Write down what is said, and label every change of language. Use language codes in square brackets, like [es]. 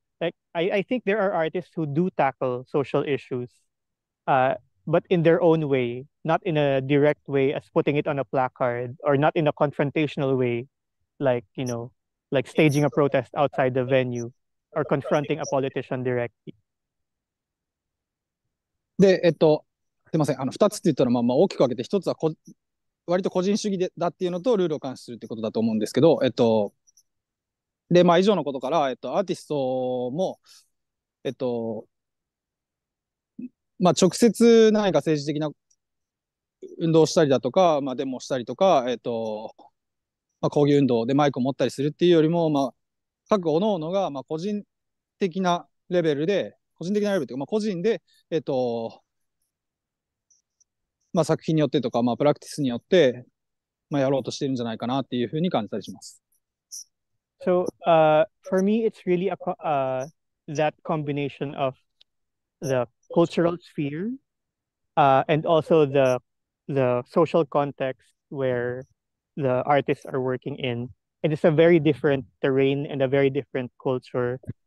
[en] Like I think there are artists who do tackle social issues, but in their own way, not in a direct way as putting it on a placard or not in a confrontational way, like, you know, like staging a protest outside the venue or confronting a politician directly. [ja] で、すいません。 2つって言ったら、まあ、まあ大きく分けて、1つは割と個人主義だっていうのとルールを監視するってことだと思うんですけど、で、まあ以上のことから、アーティストも、まあ、直接何か政治的な運動をしたりだとか、まあ、デモをしたりとか、まあ、抗議運動でマイクを持ったりするっていうよりも、まあ、各おのおのが、まあ、個人的なレベルで、個人的なレベルというか、まあ、個人で、まあ、作品によってとか、まあ、プラクティスによって、まあ、やろうとしてるんじゃないかなっていうふうに感じたりします。 [en] So, for me, it's really a, that combination of theCultural sphere, and also the social context where the artists are working in. It is a very different terrain and a very different culture.